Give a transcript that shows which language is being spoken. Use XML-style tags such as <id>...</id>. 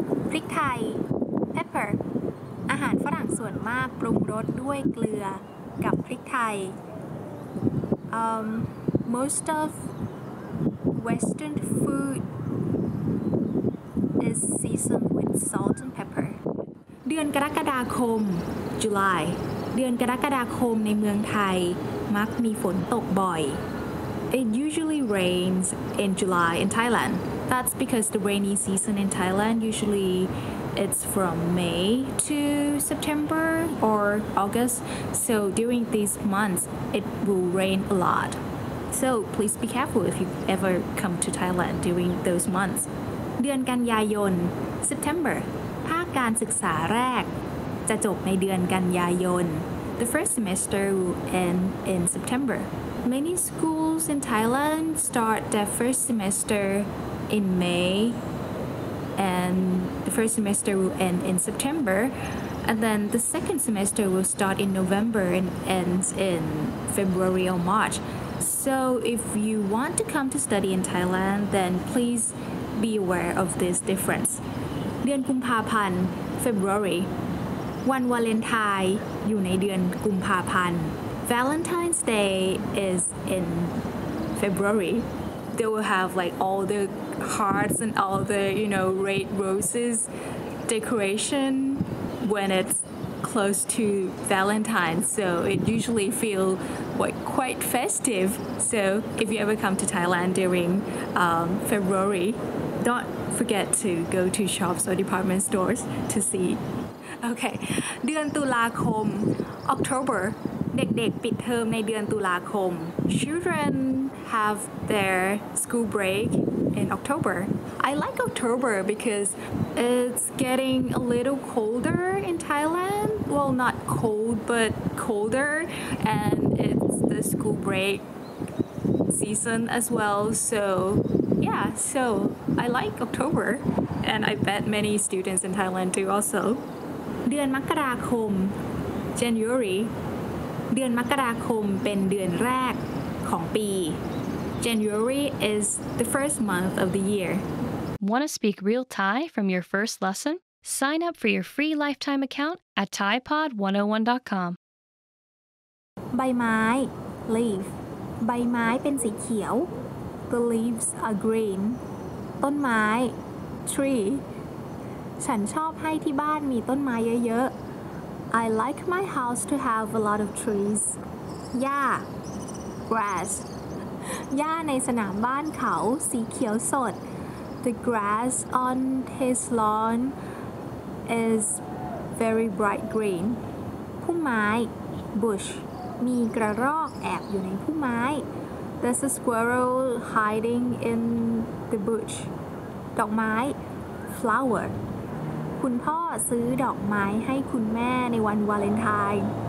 <en>พริกไทย pepper.</en> <th>อาหารฝรั่งส่วนมากปรุงรสด้วยเกลือกับพริกไทย</th> <en>most of Western food is seasoned with salt and pepper. เดือนกรกฎาคม July</en> <th>เดือนกรกฎาคมในเมืองไทยมักมีฝนตกบ่อย</th> <en>It usually rains in July in Thailand. That's because the rainy season in Thailand usually it's from May to September or August. So during these months, it will rain a lot. So please be careful if you ever come to Thailand during those months.</en> <th>เดือนกันยายน September ภาคการศึกษาแรกจะจบในเดือนกันยายน</th> <en>The first semester will end in September. Many schools in Thailand start their first semester in May, and the first semester will end in September, and then the second semester will start in November and ends in February or March. So if you want to come to study in Thailand, then please be aware of this difference.</en> <th>เดือนกุมภาพันธ์ February. วันวาเลนไทน์อยู่ในเดือนกุมภาพันธ์</th> <en>Valentine's Day is in February. They will have like all the hearts and all the, you know, red roses decoration when it's close to Valentine's. So it usually feelQuite festive, so if you ever come to Thailand during February, don't forget to go to shops or department stores to see. Okay,</en> <th>เดือนตุลาคม October. เด็กๆปิดเทอมในเดือนตุลาคม</th> <en>Children have their school break in October. I like October because it's getting a little colder in Thailand. Well, not cold, but colder and school break season as well so yeah so I like October and I bet many students in Thailand do also</en> <th>เดือนมกราคม</th> <en>January</en> <th>เดือนมกราคมเป็นเดือนแรกของปี</th> <en>January is the first month of the year Want to speak real Thai from your first lesson sign up for your free lifetime account at thaipod101.com</en> <th>ใบไม้leaf ใบไม้เป็นสีเขียว</th> <en>the leaves are green</en> <th>ต้นไม้</th> <en>tree</en> <th>ฉันชอบให้ที่บ้านมีต้นไม้เยอะ</th> <en>ๆ I like my house to have a lot of trees</en> <th>หญ้า</th> <en>grass</en> <th>หญ้าในสนามบ้านเขาสีเขียวสด</th> <en>the grass on his lawn is very bright green</en> <th>พุ่มไม้ bushมีกระรอกแอบอยู่ในพุ่มไม้</th> <en>There's a squirrel hiding in the bush</en> <th>ดอกไม้ flower คุณพ่อซื้อดอกไม้ให้คุณแม่ในวันวาเลนไทน์</th>